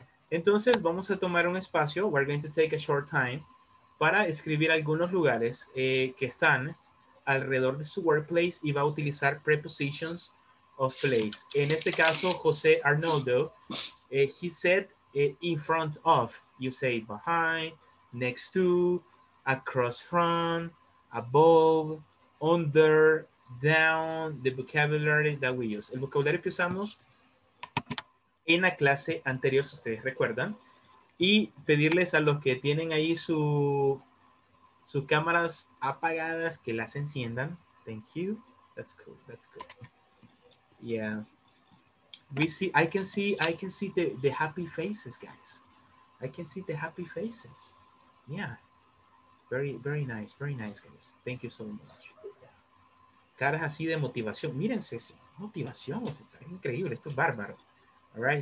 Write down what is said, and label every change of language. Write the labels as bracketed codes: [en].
[es] Entonces, vamos a tomar un espacio. [en] We're going to take a short time [es] para escribir algunos lugares que están alrededor de su workplace y va a utilizar prepositions of place. En este caso, [en] José Arnoldo, he said in front of, you say behind, next to, across from, above, under, down, the vocabulary that we use. [es] El vocabulario que usamos en la clase anterior, si ustedes recuerdan, y pedirles a los que tienen ahí sus cámaras apagadas que las enciendan. [en] Thank you. That's cool. That's cool. Yeah. We see, I can see the happy faces, guys. I can see the happy faces. Yeah. Very, very nice. Very nice, guys. Thank you so much. [es] Caras así de motivación. Mírense eso. Motivación. O sea, es increíble. Esto es bárbaro. [en] All right.